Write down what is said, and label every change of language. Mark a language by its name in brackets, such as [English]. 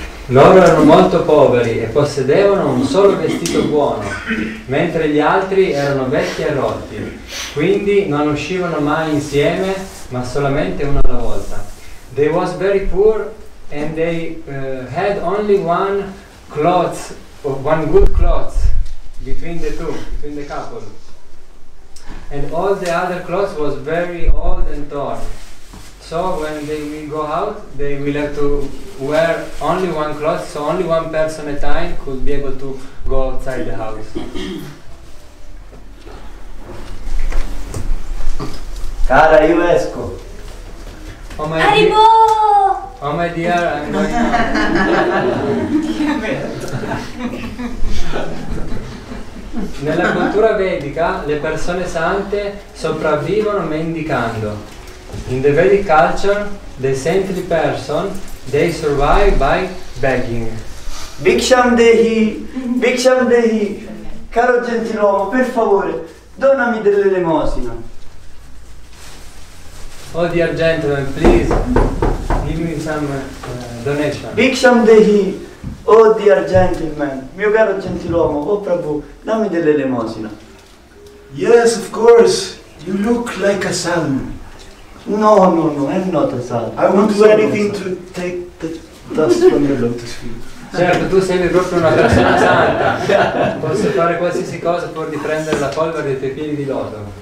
[Italian] Loro erano molto poveri e possedevano un solo vestito buono, mentre gli altri erano vecchi e rotti, quindi non uscivano mai insieme, ma solamente una alla volta. [English] They was very poor and they had only one clothes, one good clothes between the two, between the couple. And all the other clothes was very old and torn. So when they will go out, they will have to wear only one cloth, so only one person at a time could be able to go outside the house. [Italian] Cara, io esco. Arrivo! [English] Oh my dear, I'm going out. [Italian] Nella cultura vedica, le persone sante sopravvivono mendicando. [English] In the Vedic culture, the saintly person, they survive by begging. [Italian] Bhiksham dehi, caro gentiluomo, per favore, donami dell'elemosina. [English] Oh dear gentleman, please, give me some donation. [Italian] Bhiksham dehi, [English] oh dear gentleman, [Italian] mio caro gentiluomo, oh Prabhu, dammi dell'elemosina. [English] Yes, of course, you look like a salmon. No, I'm not a sad. I won't do anything to take the dust from your lotus feet. [Italian] Certo, tu sei proprio una persona santa. Posso fare qualsiasi cosa pur di prendere la polvere dei tuoi piedi di loto.